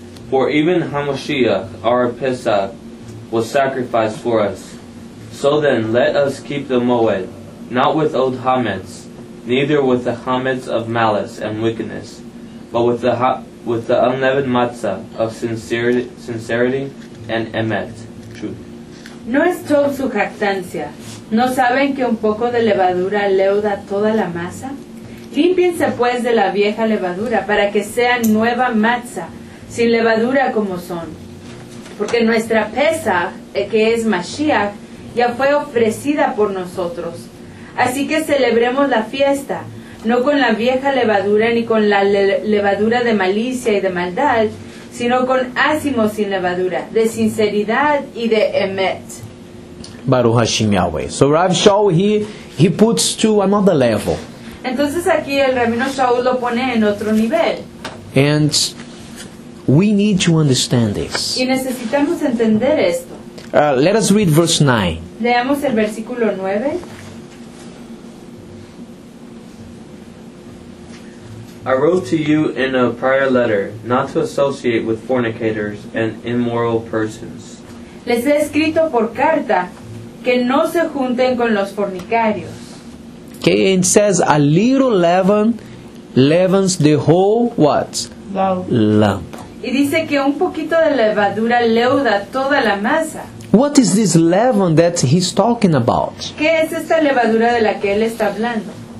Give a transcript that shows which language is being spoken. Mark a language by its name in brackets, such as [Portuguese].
[English] For even HaMashiach, our Pesach, was sacrificed for us. So then, let us keep the moed, not with old chametz, neither with the chametz of malice and wickedness, but with the unleavened matzah of sincerity. And emet, truth. [Spanish] No es todo su jactancia. ¿No saben que un poco de levadura leuda toda la masa? Límpiense pues de la vieja levadura, para que sean nueva matza, sin levadura como son. Porque nuestra Pesach, que es Mashiach, ya fue ofrecida por nosotros. Así que celebremos la fiesta, no con la vieja levadura ni con la levadura de malicia y de maldad, sino con ácimos sin levadura, de sinceridad y de emet. [Hebrew] Baruch Hashem Yahweh. [English] So Rav Shaul, he puts to another level. [Spanish] Entonces aquí el Rabino Shaul lo pone en otro nivel. [English] And we need to understand this. [Spanish] Y necesitamos entender esto. [English] Let us read verse 9. [Spanish] Vamos a Leamos el versículo 9. [English] I wrote to you in a prior letter not to associate with fornicators and immoral persons. [Spanish] Les he escrito por carta que no se junten con los fornicarios. [English] Okay, it says a little leaven leavens the whole what? Lump. [Spanish] Y dice que un poquito de levadura leuda toda la masa. [English] What is this leaven that he's talking about? [Spanish] ¿Qué es esta levadura de la que él está hablando?